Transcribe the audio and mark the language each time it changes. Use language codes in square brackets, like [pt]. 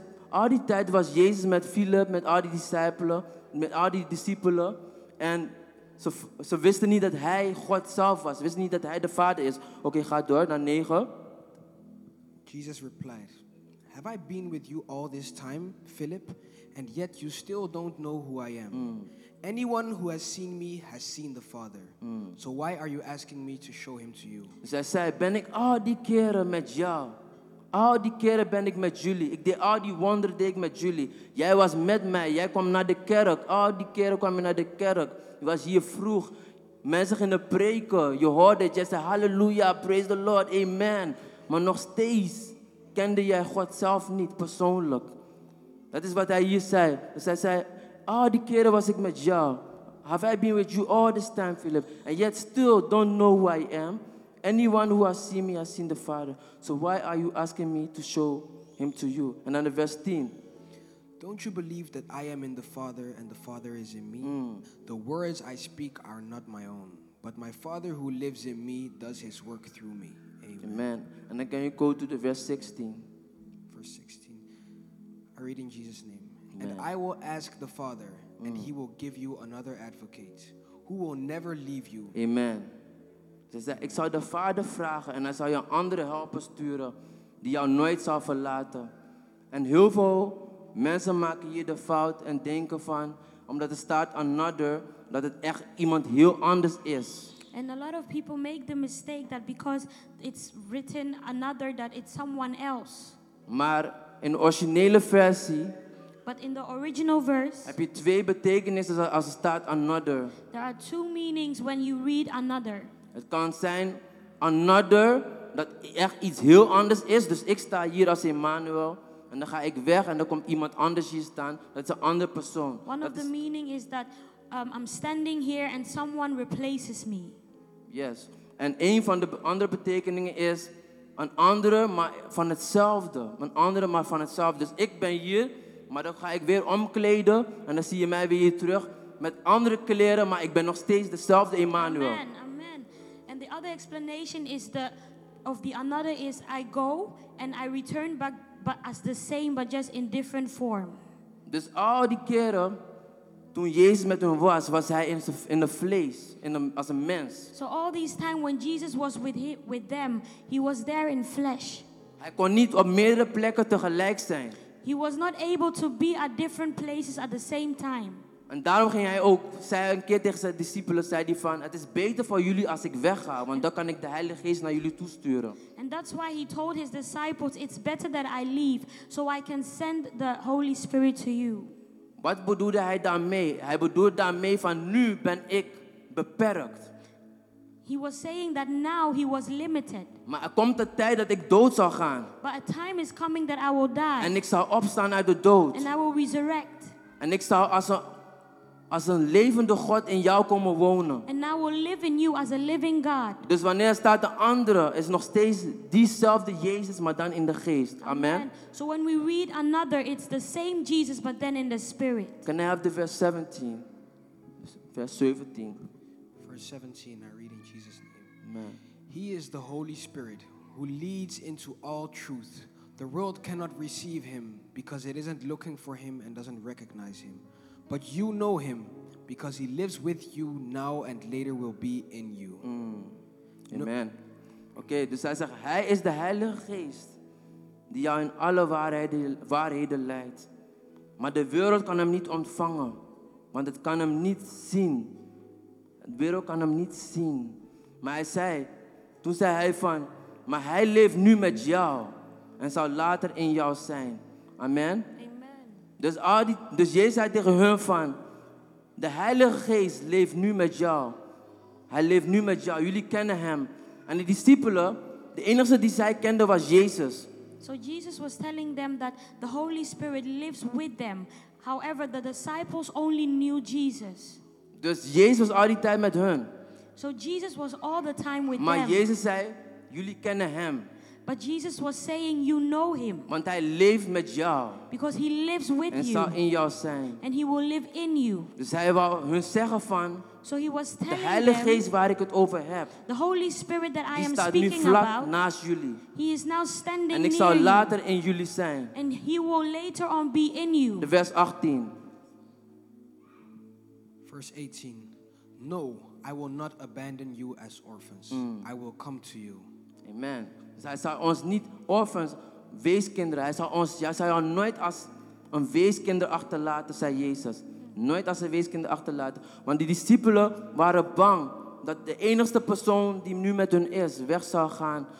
[nl] Al die tijd was Jezus met Philip, met al die discipelen, met al die discipelen. En ze wisten niet dat hij God zelf was. Ze wisten niet dat hij de Vader is. Oké, ga door naar 9. [en] Jesus replied, have I been with you all this time, Philip? And yet you still don't know who I am. Anyone who has seen me has seen the Father. So why are you asking me to show him to you? [nl] Zij zei, ben ik al die keren met jou? Al die keren ben ik met jullie. Ik deed al die wonderen deed ik met jullie. Jij was met mij. Jij kwam naar de kerk. Al die keren kwam je naar de kerk. Je was hier vroeg. Mensen gingen preken. Je hoorde het. Jij zei, [en] halleluja, praise the Lord, amen. [nl] Maar nog steeds kende jij God zelf niet persoonlijk. Dat is wat hij hier zei. Dus hij zei, al die keren was ik met jou. [en] Have I been with you all this time, Philip? And yet still don't know who I am. Anyone who has seen me has seen the Father. So why are you asking me to show him to you? And then the verse 10. Don't you believe that I am in the Father and the Father is in me? The words I speak are not my own. But my Father who lives in me does his work through me. Amen. Amen. And then can you go to the verse 16? Verse 16. I read in Jesus' name. Amen. And I will ask the Father and he will give you another advocate who will never leave you. Amen. [nl] Ze zei, ik zou de Vader vragen en hij zou je een andere helper sturen die jou nooit zal verlaten. En heel veel mensen maken hier de fout en denken van, omdat er staat another, dat het echt iemand heel anders is. [en] And a lot of people make the mistake that because it's written another, that it's someone else. [nl] Maar in de originele versie, [en] but in the original verse, [nl] heb je twee betekenissen als er staat another. [en] There are two meanings when you read another. [nl] Het kan zijn another, dat echt iets heel anders is. Dus ik sta hier als Emmanuel en dan ga ik weg en dan komt iemand anders hier staan. Dat is een andere persoon. [en] One of the meaning is that I'm standing here and someone replaces me. Yes. [nl] En een van de andere betekeningen is een andere, maar van hetzelfde. Een andere, maar van hetzelfde. Dus ik ben hier, maar dan ga ik weer omkleden en dan zie je mij weer hier terug met andere kleren, maar ik ben nog steeds dezelfde Emmanuel. Amen. [en] The other explanation is another is I go and I return back but as the same but just in different form. [nl] Dus al die keren toen Jezus met hem was, was hij in de vlees, als een mens. [en] So all these time when Jesus was with them, he was there in flesh. [nl] Hij kon niet op meerdere plekken tegelijk zijn. [en] He was not able to be at different places at the same time. [nl] En daarom ging hij ook, zei een keer tegen zijn discipelen, zei hij van, het is beter voor jullie als ik wegga, want dan kan ik de Heilige Geest naar jullie toesturen. [en] And that's why he told his disciples, it's better that I leave, so I can send the Holy Spirit to you. [nl] Wat bedoelde hij daarmee? Hij bedoelde daarmee van, nu ben ik beperkt. [en] He was saying that now he was limited. [nl] Maar er komt een tijd dat ik dood zal gaan. [en] But a time is coming that I will die. [nl] En ik zal opstaan uit de dood. [en] And I will resurrect. [nl] En ik zal als een levende God in jou komen wonen. [en] And I will live in you as a living God. [nl] Dus wanneer staat de andere, is nog steeds diezelfde Jezus, maar dan in de geest. Amen. Amen. [en] So when we read another, it's the same Jesus, but then in the spirit. Can I have the verse 17? Verse 17. Verse 17, I read in Jesus' name. Amen. He is the Holy Spirit who leads into all truth. The world cannot receive him because it isn't looking for him and doesn't recognize him. But you know him, because he lives with you now and later will be in you. Amen. [nl] Okay, dus hij zegt, hij is de Heilige Geest die jou in alle waarheden leidt. Maar de wereld kan hem niet ontvangen, want het kan hem niet zien. De wereld kan hem niet zien. Maar hij zei, toen zei hij van, maar hij leeft nu met jou en zal later in jou zijn. Amen. Amen. Dus Jezus zei tegen hun van, de Heilige Geest leeft nu met jou. Hij leeft nu met jou. Jullie kennen hem. En de discipelen, de enige die zij kenden was Jezus. [en] So Jesus was telling them that the Holy Spirit lives with them. However, the disciples only knew Jesus. [nl] Dus Jezus was al die tijd met hun. [en] So Jesus was all the time with [nl] maar [en] them. [nl] Maar Jezus zei, jullie kennen hem. [en] But Jesus was saying, you know him. [nl] Want hij leeft met jou. [en] Because he lives with [nl] en [en] you. [nl] En zal in jou zijn. [en] And he will live in you. [nl] Dus hij wou hun zeggen van, [en] so he was telling [nl] de Heilige [en] them, [nl] Geest waar ik het over heb, [en] the Holy Spirit that I am [nl] staat [en] speaking [nl] nu vlak [en] about, [nl] naast jullie. [en] He is now standing [nl] en ik zal later in jullie zijn. [en] And he will later on be in you. [nl] De vers 18. [en] Verse 18. No, I will not abandon you as orphans. I will come to you. Amen. [nl] Dus hij zal ons niet orphans, weeskinderen. Hij zal jou nooit als een weeskinder achterlaten, zei Jezus. Nooit als een weeskinder achterlaten. Want die discipelen waren bang dat de enigste persoon die nu met hun is, weg zou gaan.